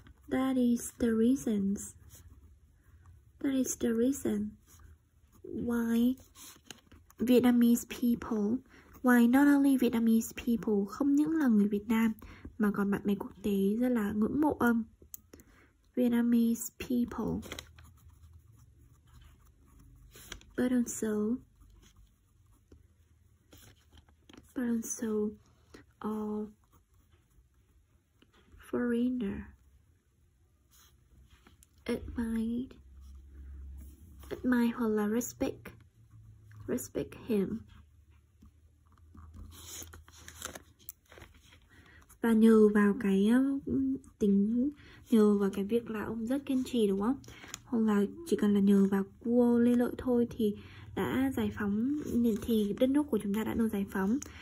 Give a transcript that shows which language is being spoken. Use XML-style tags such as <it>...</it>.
<en>That is the reason why Vietnamese people,</en> <vi>why not only Vietnamese people, không những là người Việt Nam mà còn bạn bè quốc tế rất là ngưỡng mộ ông.</vi> <en>Vietnamese people, but also foreigner admire</en> <vi>hoặc là</vi> <en>respect him.</en> <vi>Và nhờ vào cái việc là ông rất kiên trì đúng không, hoặc là chỉ cần là nhờ vào vua Lê Lợi thôi thì đã giải phóng, thì đất nước của chúng ta đã được giải phóng.</vi>